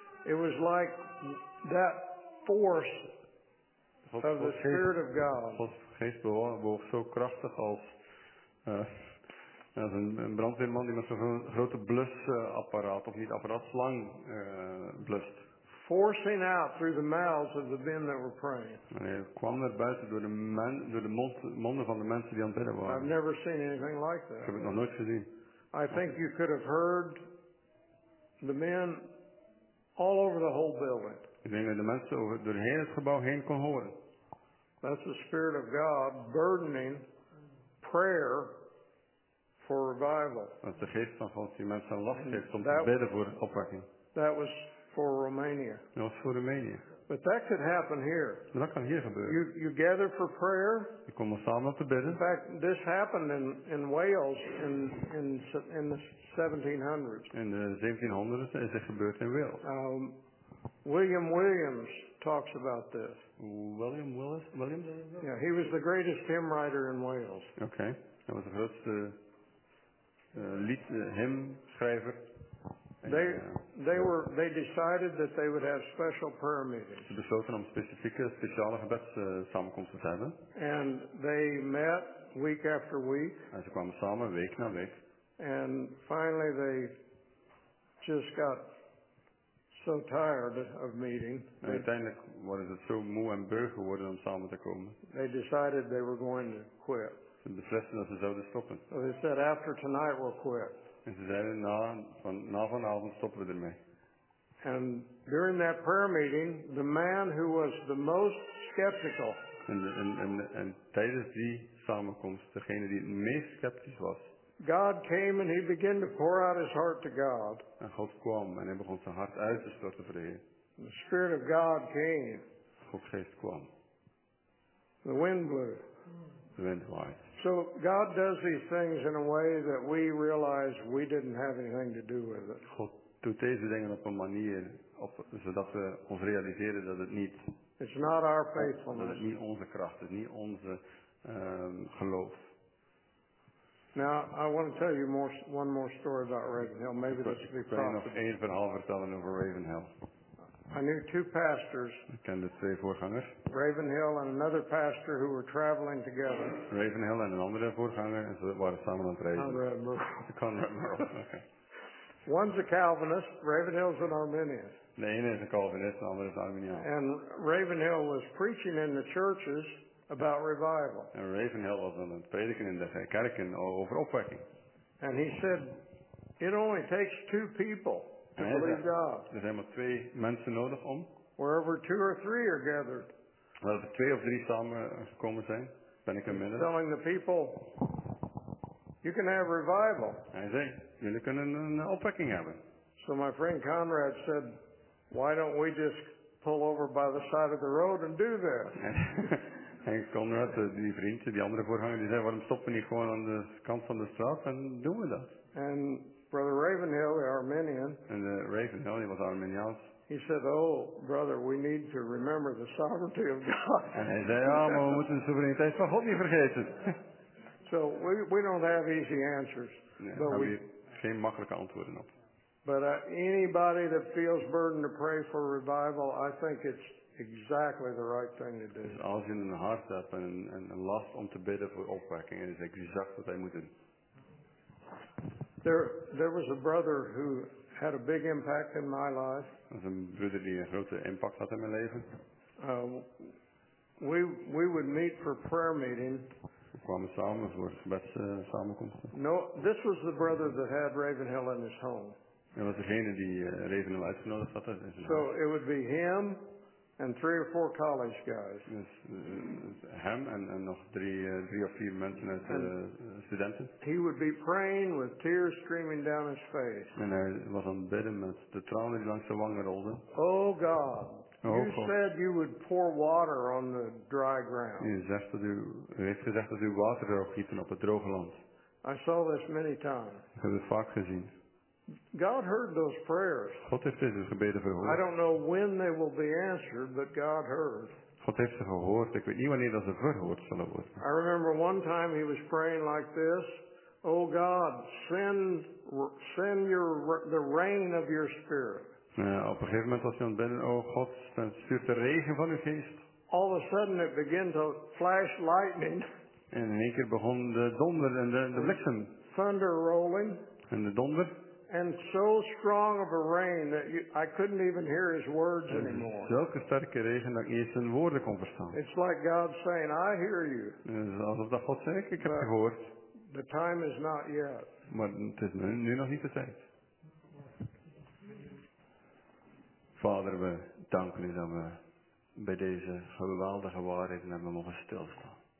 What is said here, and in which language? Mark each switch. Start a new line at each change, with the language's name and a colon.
English: It was like that force of the Spirit of God.
Dutch: God's geest bewoog zo krachtig als een brandweerman die met zo'n grote blusapparaat, of niet apparaat, slang blust.
English: Forcing out through the mouths of the men that were praying.
Dutch: En hij kwam er buiten door de, men, door de monden van de mensen die aan het bidden waren.
English: I've never seen anything like that.
Dutch: Ik heb het nog nooit gezien.
English: I think you could have heard the men all over the whole building.
Dutch: Ik denk dat de mensen over, door heel het gebouw heen kon horen.
English: That's the Spirit of God burdening prayer for revival.
Dutch: Dat is de geest van God die mensen last geeft om te bidden voor opwekking.
English: That was for Romania.
Dutch: Dat was voor Roemenië.
English: But that could happen here.
Dutch: Maar dat kan hier gebeuren.
English: You gather for prayer.
Dutch: Je komt er samen om te bidden.
English: In fact, this happened in Wales in the 1700s.
Dutch: In de 1700s is dit gebeurd in Wales.
English: William Williams talks about this. William Willis? William? Yeah, he was the greatest hymn writer in Wales. Okay, that was the greatest hymn schrijver. They decided that they would have special prayer meetings.
Dutch: Ze besloten om specifieke, speciale gebedssamenkomsten te hebben.
English: And they met week after week.
Dutch: En ze kwamen samen week na week.
English: And finally they just got so tired of meeting.
Dutch: Uiteindelijk worden ze zo moe en beu geworden om samen te komen.
English: They decided they were going to quit.
Dutch: Ze beslisten dat ze zouden stoppen.
English: So they said, after tonight we'll quit.
Dutch: En ze zeiden, na vanavond stoppen we ermee.
English: And during that prayer meeting, the man who was the most skeptical.
Dutch: En tijdens die samenkomst, degene die het meest sceptisch was.
English: God came and he began to pour out his heart to God.
Dutch: En God kwam en hij begon zijn hart uit te storten voor de Heer.
English: The Spirit of God came.
Dutch: God's geest kwam.
English: The wind blew.
Dutch: The wind waaide.
English: So God does these things in a way that we realize we didn't have anything to do with it.
Dutch: God doet deze dingen op een manier zodat we ons realiseren dat het niet.
English: It's not our faithfulness.
Dutch: Dat het niet onze kracht is, niet onze geloof.
English: Now, I want to tell you one more story about Ravenhill. Maybe this will be possible.
Dutch: Ik wil nog één verhaal vertellen over Ravenhill.
English: I knew two pastors.
Dutch: Ik kende twee voorgangers.
English: Ravenhill and another pastor who were traveling together.
Dutch: Ravenhill en een andere voorganger, en ze waren samen aan het reizen.
English: Conrad Merle. Conrad Merle, okay. One's a Calvinist, Ravenhill's an Arminian.
Dutch: De ene is een Calvinist, de andere is Arminian.
English: And Ravenhill was preaching in the churches. About revival.
Dutch: En Ravenhill was aan het prediken in de kerken over opwekking.
English: And he said, it only takes two people to believe God.
Dutch: Er zijn maar twee mensen nodig om.
English: Wherever two or three are gathered.
Dutch: Als er twee of drie samen gekomen zijn, ben ik inmiddels.
English: Telling the people, you can have revival.
Dutch: Hij zei, jullie kunnen een opwekking hebben.
English: So my friend Conrad said, why don't we just pull over by the side of the road and do this?
Dutch: En Conrad, die vriendje, die andere voorganger, die zei, waarom stoppen we niet gewoon aan de kant van de straat en doen we dat?
English: And Brother Ravenhill, the Arminian,
Dutch: en Ravenhill, die was Arminiaans.
English: He said, oh, brother, we need to remember the sovereignty of God.
Dutch: En hij zei, ja, maar we moeten de soevereiniteit van God niet vergeten.
English: So we don't have easy answers.
Dutch: Nee, but we geen makkelijke antwoorden op.
English: But anybody that feels burdened to pray for revival, I think it's exactly the right thing to do.
Dutch: Dus als je een hart hebt en een last om te bidden voor opwekking, is exact wat hij moet doen.
English: There was a brother who had a big impact in my life.
Dutch: Er was een broeder die een grote impact had in mijn leven.
English: We would meet for prayer meeting.
Dutch: We kwamen samen voor gebedssamenkomsten.
English: No, this was the brother that had Ravenhill in his home.
Dutch: Dat was degene die Ravenhill uitgenodigd had.
English: So it would be him. And three or four college guys.
Dutch: Dus hem en nog drie of vier mensen uit de studenten.
English: He would be praying with tears streaming down his face.
Dutch: En hij was aan het bidden met de tranen die langs zijn wangen rolden.
English: Oh God, oh, you God. Said you would pour water on the dry ground.
Dutch: U heeft gezegd dat u water zou gieten op het droge land.
English: I saw this many times.
Dutch: Ik heb het vaak gezien.
English: God heard those prayers.
Dutch: God heeft deze gebeden verhoord.
English: I don't know when they will be answered, but God heard.
Dutch: God heeft ze gehoord. Ik weet niet wanneer dat ze verhoord zullen worden.
English: I remember one time he was praying like this. Oh God, send your the rain of your spirit.
Dutch: Op een gegeven moment was hij aan het bidden. Oh God, stuur de regen van uw geest.
English: All of a sudden it began to flash lightning.
Dutch: En in één keer begon de donder en de bliksem.
English: Thunder rolling.
Dutch: En de donder.
English: And so strong of a rain that I couldn't even hear his words anymore.
Dutch: Zulke sterke regen dat ik niet eens zijn woorden kon verstaan.
English: It's like God saying, I hear you.
Dutch: Alsof dat God zegt, ik heb je gehoord.
English: The time is not yet.
Dutch: Maar het is nu nog niet de tijd. Vader, we danken u dat we bij deze geweldige waarheden hebben mogen stilstaan.